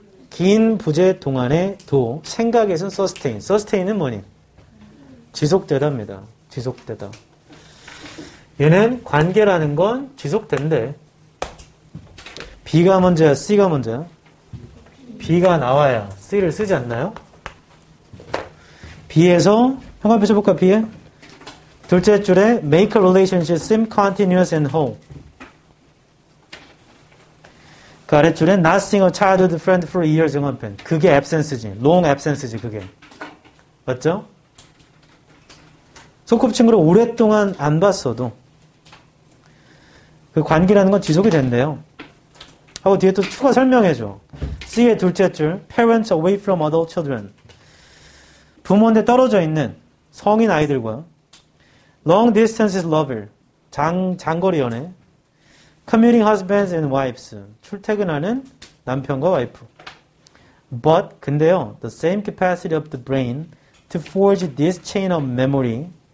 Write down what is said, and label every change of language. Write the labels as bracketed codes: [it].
[ko] 긴 부재 동안에도 생각에선 sustain. Sustain은 뭐니? 지속되답니다. 지속되다. 얘는 관계라는 건 지속된대. B가 먼저야? C가 먼저야? B가 나와야 C를 쓰지 않나요? B에서 형광표 쳐볼까? B에? 둘째 줄에 [en] make a relationship seem continuous and whole. [ko] 그 아래줄에 [en] not seeing a childhood friend for years [ko] 영화편. [en] 그게 absence지. long absence지 [ko] 그게. 맞죠? 소꿉친구를 오랫동안 안 봤어도 그 관계라는 건 지속이 된대요. 하고 뒤에 또 추가 설명해줘. C의 둘째 줄 [en] parents away from adult children. [ko] 부모한테 떨어져 있는 성인 아이들과 [en] long distance lover. [ko] 장거리 연애. [en] Commuting husbands and wives. [ko] 출퇴근하는 남편과 와이프. [en] But, [ko] 근데요, [en] the same capacity of the brain to forge this chain of memory.